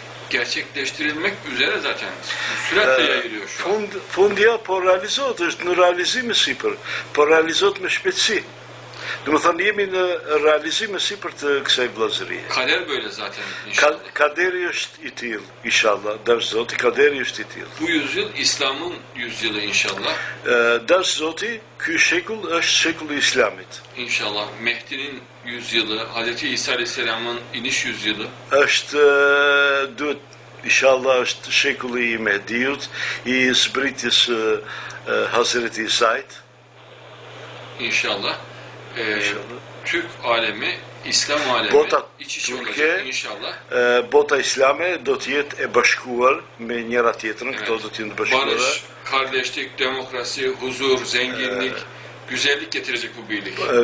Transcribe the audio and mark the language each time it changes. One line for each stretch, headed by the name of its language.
Turkish: Gerçekleştirilmek üzere zaten. Süratle yayılıyor şu an.
Albanian: Fundja po realizot është në realizime sipër. Po realizot me shpejtësi. Do më thënë jemi në realizime sipër të kësaj vëllazërie.
Turkish: Kader böyle zaten inşallah.
Albanian: Kaderi është i tillë inşallah. Dash zoti, kaderi është i tillë.
Turkish: Bu yüzyıl İslam'ın yüzyılı inşallah.
Albanian: Dash zoti, ky shekull është shekulli i Islamit.
Turkish: İnşallah. Mehdi'nin yüzyılı, Hazreti İsa Aleyhisselam'ın iniş yüzyılı.
Albanian: Është duhet inşallah është shekulli i Mehdiut, i zbritjes Hazreti İsa'it.
Turkish: İnşallah. Türk alemi, İslam alemi bota, iç içe olacak inşallah.
Albanian: Bota İslami do të jetë e bashkuar me njëra tjetrën, evet. Këto do të jenë të bashkuara.
Turkish: Barış, kardeşlik, demokrasi, huzur, zenginlik, güzellik getirecek bu birlik.